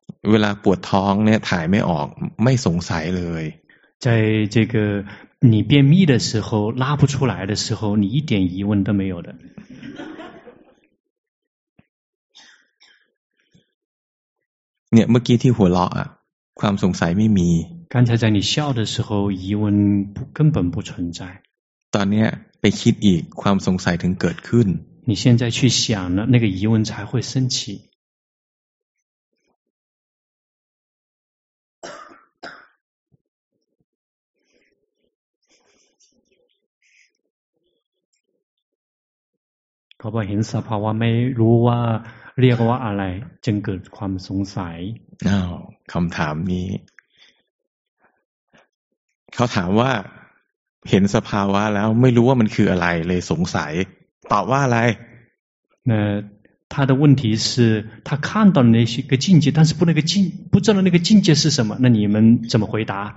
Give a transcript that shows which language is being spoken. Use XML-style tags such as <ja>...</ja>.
<th>เวลาปวดท้องเนี่ยถ่ายไม่ออกไม่สงสัยเลย</th> <zh>在这个你便秘的时候拉不出来的时候你一点疑问都没有的</zh> <th>เนี่ยเมื่อกี้ที่หัวเราะอ่ะความสงสัยไม่มี</th> <zh>刚才在你笑的时候疑问根本不存在</zh> <th>ตอนนี้ไปคิดอีกความสงสัยถึงเกิดขึ้น</th> <zh>你现在去想了那个疑问才会升起</zh> <th>พอพอเห็นสภาวะไม่รู้ว่าเรียกว่าอะไรจึงเกิดความสงสัย อ้าวคำถามนี้เขาถามว่าเห็นสภาวะแล้วไม่รู้ว่ามันคืออะไรเลยสงสัยตอบว่าอะไร</th> <zh>他的问题是他看到了那些个境界但是不那个境不知道那个境界是什么那你们怎么回答</zh>